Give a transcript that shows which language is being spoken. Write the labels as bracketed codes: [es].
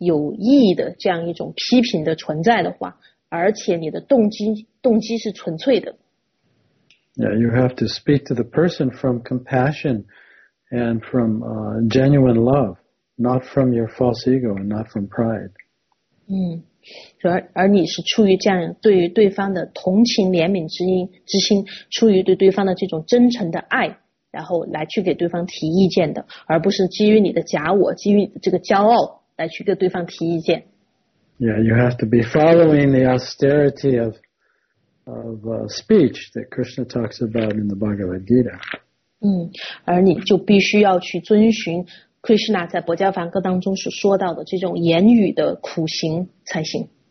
[zh] 所以说如果你和对方有这样一段关系，那么你足够谦卑，然后并且你能够看到就是你们之间的关系是允许有这种有建设性的、有意义的这样一种批评的存在的话。而且你的动机是纯粹的。Yeah, [en] you have to speak to the person from compassion and from genuine love, not from your false ego and not from pride. [zh] 而你是出于这样对于对方的同情怜悯之心，出于对对方的这种真诚的爱，然后来去给对方提意见的，而不是基于你的假我，基于这个骄傲来去给对方提意见。 [en] Yeah, you have to be following the austerity of speech that Krishna talks about in the Bhagavad Gita. [zh] 而你就必须要去遵循 Krishna 在《薄伽梵歌》当中所说到的这种言语的苦行才行。